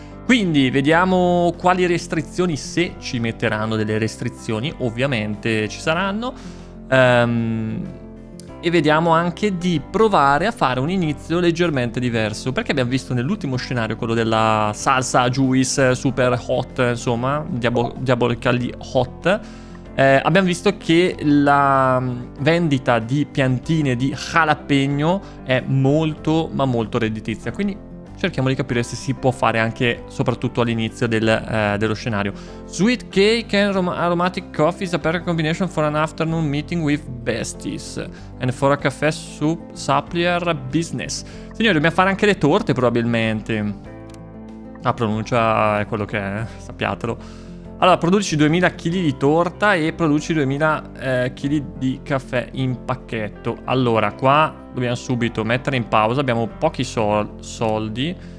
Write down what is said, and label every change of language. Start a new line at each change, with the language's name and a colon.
Italian: Quindi vediamo quali restrizioni, se ci metteranno delle restrizioni, ovviamente ci saranno, e vediamo anche di provare a fare un inizio leggermente diverso, perché abbiamo visto nell'ultimo scenario, quello della salsa juice super hot, insomma,
English: diabolically hot,
Italian: abbiamo visto che la vendita di piantine di jalapeno è molto, ma molto redditizia. Quindi cerchiamo di capire se si può fare anche, soprattutto all'inizio dello scenario.
English: Sweet cake and aromatic coffee is a perfect combination for an afternoon meeting with besties and for a cafe supplier business.
Italian: Signori, dobbiamo fare anche le torte, probabilmente. La pronuncia è quello che è, sappiatelo. Allora, produci 2000 kg di torta e produci 2000 kg di caffè in pacchetto. Allora, qua dobbiamo subito mettere in pausa, abbiamo pochi soldi.